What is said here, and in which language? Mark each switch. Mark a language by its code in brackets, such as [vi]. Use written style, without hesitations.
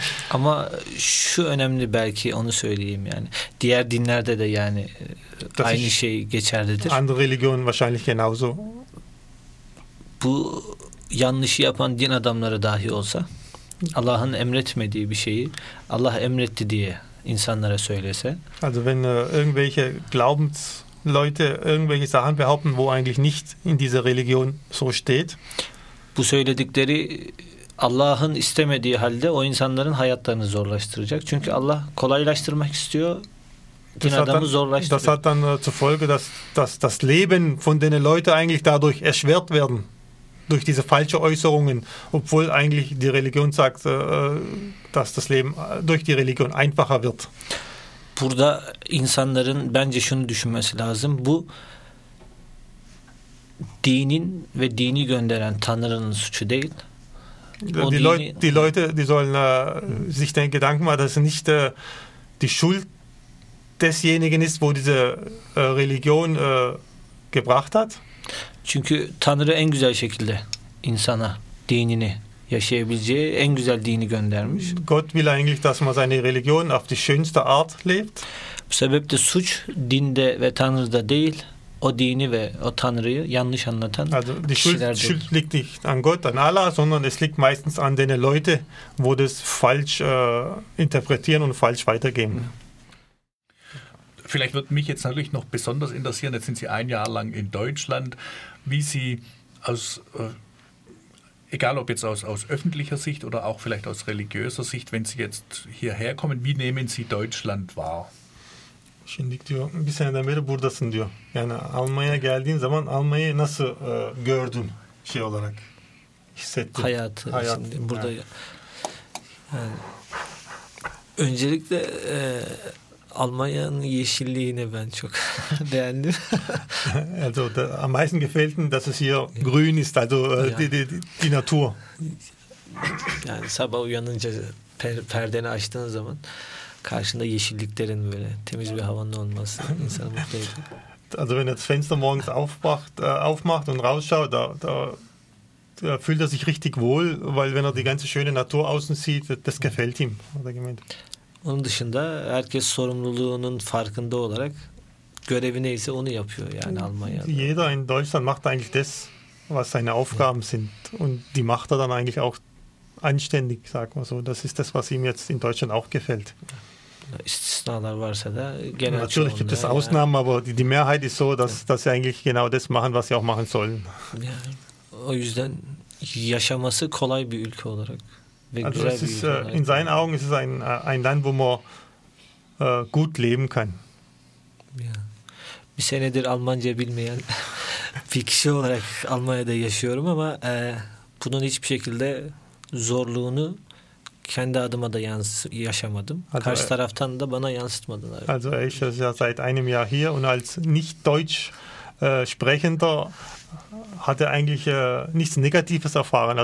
[tr] Ama şu önemli, belki onu söyleyeyim yani. Diğer dinlerde de yani das aynı şey geçerlidir. [de] Andere Religion wahrscheinlich genauso. [tr] Bu yanlışı yapan din adamları dahi olsa, Allah'ın emretmediği bir şeyi Allah emretti diye insanlara söylese. [de] Also wenn irgendwelche Glaubensleute irgendwelche Sachen behaupten, wo eigentlich nicht in dieser Religion so steht. [tr] Bu söyledikleri Allah'ın istemediği halde o insanların hayatlarını zorlaştıracak. Çünkü Allah kolaylaştırmak istiyor, din adamı zorlaştırıyor. [de] Das hat dann zur Folge, dass das Leben von den Leuten eigentlich dadurch erschwert werden, durch diese falsche Äußerungen, obwohl eigentlich die Religion sagt, dass das Leben durch die Religion einfacher wird. [tr] Burada insanların bence şunu düşünmesi lazım, bu dinin ve dini gönderen Tanrı'nın suçu değil. [de] Die Leute sollen sich den Gedanken machen, dass es nicht die Schuld desjenigen ist, wo diese Religion gebracht hat. [tr] Çünkü Tanrı en güzel şekilde insana dinini yaşayabileceği en güzel dini göndermiş. [de] Gott will eigentlich, dass man seine Religion auf die schönste Art lebt. [tr] Bu sebeple suç dinde ve Tanrı'da değil, o dini ve o Tanrı'yı yanlış anlatan kişilerde. [de] Also die Schuld liegt nicht an Gott, an Allah, sondern es liegt meistens an den Leute, wo das falsch interpretieren und falsch weitergeben. Vielleicht würde mich jetzt natürlich noch besonders interessieren, jetzt sind Sie ein Jahr lang in Deutschland, wie Sie aus, egal ob jetzt aus öffentlicher Sicht oder auch vielleicht aus religiöser Sicht, wenn Sie jetzt hierher kommen, wie nehmen Sie Deutschland wahr? [tr] Şimdi diyor, bir seneden beri buradasın diyor. Yani Almanya'ya geldiğin zaman Almanya'yı nasıl gördün şey olarak hissettin? Hayatı. Şimdi burada yani. Öncelikle Almanya'nın yeşilliğini ben çok beğendim. [de] Also am meisten gefällt mir, dass es hier grün ist, also die Natur. [tr] Yani sabah uyanınca perdeni açtığın zaman karşında yeşilliklerin böyle temiz bir havanın olması insanı mutlu ediyor. [de] Also wenn er das Fenster morgens aufmacht und rausschaut, da fühlt er sich richtig wohl, weil wenn er die ganze schöne Natur außen sieht, das gefällt ihm. [tr] Onun dışında herkes sorumluluğunun farkında olarak görevi neyse onu yapıyor yani Almanya'da. [de] Jeder in Deutschland macht eigentlich das, was seine Aufgaben sind und die macht er dann eigentlich auch anständig, sagen wir so. Das ist das, was ihm jetzt in Deutschland auch gefällt. [tr] İstisnalar varsa da genel çoğunluğu. [de] Natürlich gibt es Ausnahmen, aber die Mehrheit ist so, dass sie eigentlich genau das machen, was sie auch machen sollen. [tr] O yüzden yaşaması kolay bir ülke olarak ve [de] also [tr] güzel bir [de] ist, [tr] ülke olarak. [de] In seinen Augen ist es ein Land, wo man gut leben kann. Ja. [tr] Bir senedir Almanca bilmeyen bir kişi olarak Almanya'da yaşıyorum ama bunun hiçbir şekilde zorluğunu kendi adıma da yaşamadım. [de] Also, [tr] karşı taraftan da bana yansıtmadılar. [de] Also ich bin ja seit einem Jahr hier und als nicht deutsch sprechender hatte eigentlich nichts negatives erfahren.